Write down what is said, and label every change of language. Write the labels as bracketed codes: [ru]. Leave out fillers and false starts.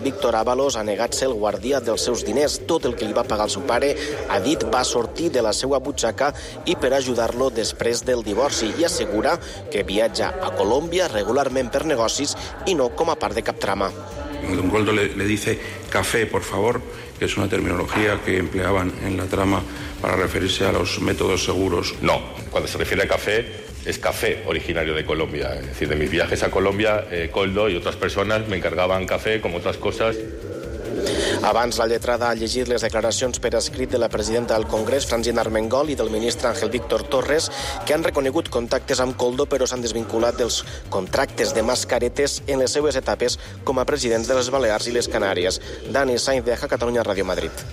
[ca] Víctor Ábalos ha negat ser el guardià dels seus diners. Tot el que li va pagar el seu pare, ha dit, va sortir de la seva butxaca i per ajudar-lo després del divorci, i assegura que viatja a Colòmbia regularment per negocis i no com a part de cap trama. [es] Don Goldo le dice café, por favor, que es una terminología que empleaban en la trama para referirse a los métodos seguros. No, cuando se refiere a café, es café originario de Colombia. Es decir, de mis viajes a Colombia, Coldo y otras personas me encargaban café, como otras cosas. [ca] Abans, la lletrada ha llegit les declaracions per escrit de la presidenta del Congrés, Francina Armengol, i del ministre Ángel Víctor Torres, que han reconegut contactes amb Coldo, però s'han desvinculat dels contractes de mascaretes en les seues etapes com a presidents de les Balears i les Canàries. Dani Sainz, de Catalunya Ràdio Madrid.